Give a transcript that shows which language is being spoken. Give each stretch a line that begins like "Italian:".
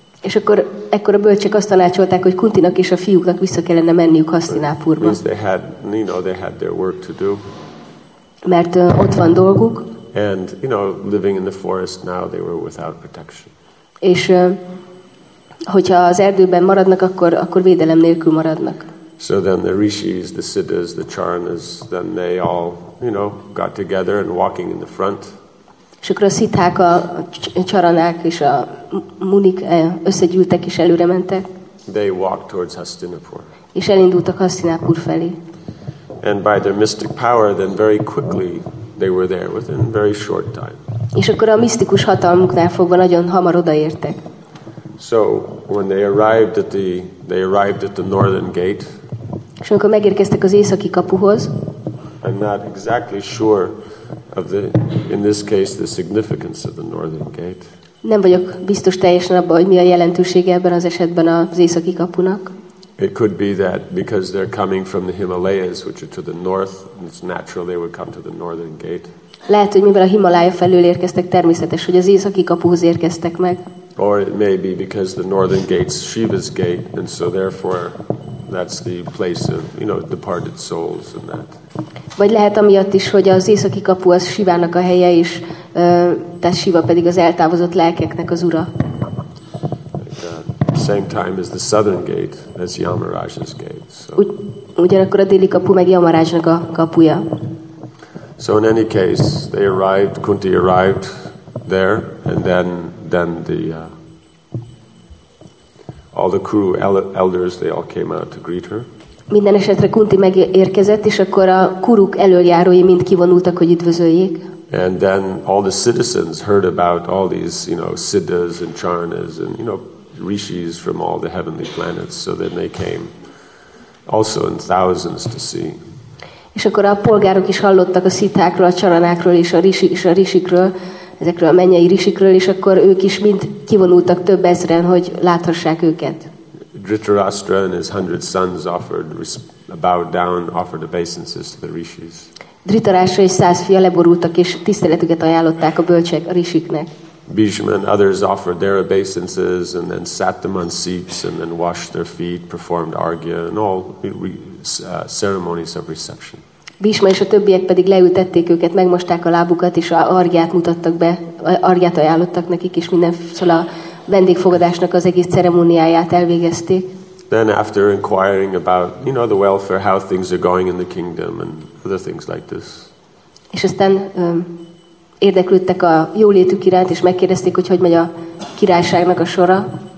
Hungarian: És akkor ekkor a bölcsek azt tanácsolták, hogy Kuntinak és a fiúknak vissza kellene menniük Hastinapurba.
English: Because they had, you know, they had their work to do.
Hungarian: Mert ott van dolguk.
English: And, you know, living in the forest now, they were without protection.
Hungarian: És hogyha az erdőben maradnak, akkor védelem nélkül maradnak.
English: So then the rishis, the siddhas, the charanas, then they all, you know, got together and walking in the front.
Hungarian: És akkor a szithák, a charanák és a munik összegyűltek és előre mentek.
English: They walked towards Hastinapur.
Hungarian: És elindultak Hastinapur felé.
English: And by their mystic power, then very quickly they were there within very short time.
Hungarian: És akkor a misztikus hatalmuknál fogva nagyon hamar odaértek.
English: So when they arrived at the northern gate.
Hungarian: És amikor megérkeztek az északi kapuhoz.
English: I'm not exactly sure of the, in this case, the significance of the northern gate.
Hungarian: Nem vagyok biztos teljesen abban, hogy mi a jelentősége ebben az esetben az északi kapunak.
English: It could be that because they're coming from the Himalayas, which are to the north, it's natural they would come to the northern gate.
Hungarian: Lehet, hogy mivel a Himalája felől érkeztek, természetes, hogy az északi kapuhoz érkeztek meg.
English: Or it may be because the northern gate's Shiva's gate, and so therefore that's the place of, you know, departed souls and that.
Hungarian: Vagy lehet amiatt is, hogy az északi kapu az Shivának a helye is, tehát Shiva pedig az eltávozott lelkeknek az ura.
English: Same time as the southern gate, as Yamaraj's gate. So.
Hungarian: Ugyanakkor a déli kapu meg Yamarajnak a kapuja.
English: So in any case, they arrived, Kunti arrived there, and then the all the crew elders, they all came out to greet her.
Hungarian: Minden esetre Kunti megérkezett, és akkor a kuruk elöljárói mind kivonultak, hogy üdvözöljék.
English: And then all the citizens heard about all these, you know, siddhas and charanas and, you know, rishis from all the heavenly planets, so then they came also in thousands to see.
Hungarian: És akkor a polgárok is hallottak a szitákról, a csaranákról és a rishikről, ezekről a mennyei rishikről, és akkor ők is mind kivonultak több ezren, hogy láthassák őket.
English: Dhritarashtra and his 100 sons bowed down, offered obeisances to the rishis.
Hungarian: Dhritarashtra és 100 fia leborultak és tiszteletüket ajánlották a bölcsek a rishiknek.
English: Bhishma and others offered their obeisances and then sat them on seats and then washed their feet, performed argya and all ceremonies of reception.
Hungarian: Bhishma és a többiek pedig leültették őket, megmosták a lábukat és argyát mutattak be, argyát ajánlottak nekik és minden szóval vendégfogadásnak az egész ceremóniáját elvégezték.
English: Then after inquiring about, you know, the welfare, how things are going in the kingdom and other things like this.
Hungarian: És aztán érdeklődtek a jólétük iránt és megkérdezték, hogy hogy megy a királyságnak a sora.